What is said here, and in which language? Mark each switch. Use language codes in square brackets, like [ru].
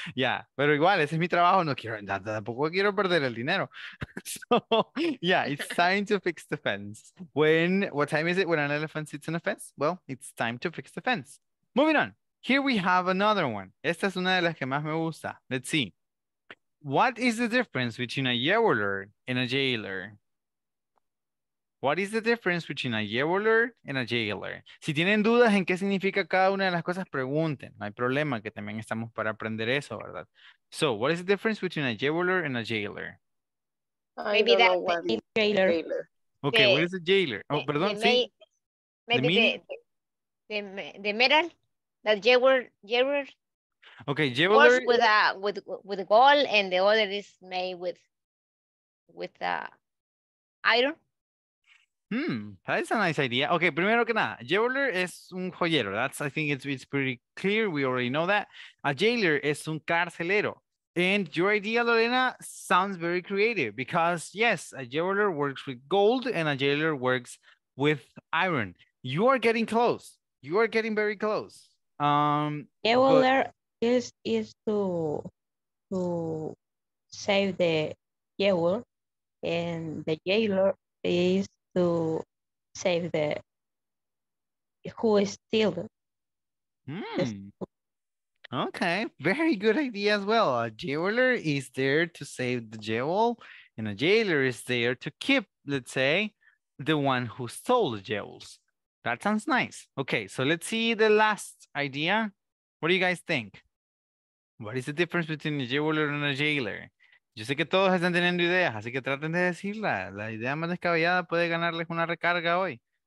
[es] Yeah, pero igual, ese es mi trabajo, no quiero, tampoco quiero perder el dinero. [en] So, yeah, it's time to fix the fence. What time is it when an elephant sits on a fence? Well, it's time to fix the fence. Moving on, here we have another one. [es] Esta es una de las que más me gusta. [en] Let's see. What is the difference between a yowler and a jailer? What is the difference between a yowler and a jailer? [es] Si tienen dudas en qué significa cada una de las cosas, pregunten. No hay problema, que también estamos para aprender eso, ¿verdad? [en] So, what is the difference between a yowler and a jailer? Maybe that's the jailer. Okay, what is a jailer? Oh, perdón, sí. The metal, the jailer. Okay, jailer. Works with gold, and the other is made with iron. That is a nice idea. [es] Okay, primero que nada, jeweler es un joyero. [en] That's, I think it's pretty clear. We already know that. A jailer es un carcelero. And your idea, Lorena, sounds very creative because, yes, a jeweler works with gold and a jailer works with iron. You are getting close. You are getting very close. Jeweler is to save the jewel, and the jailer is to save the who is still. Okay, very good idea as well. A jeweler is there to save the jewel, and a jailer is there to keep, let's say, the one who stole the jewels. That sounds nice. Okay, so let's see the last idea. What do you guys think? What is the difference between a jeweler and a jailer? [es] Yo sé que todos están teniendo ideas, así que traten de decirla. La idea más descabellada puede ganarles una recarga hoy.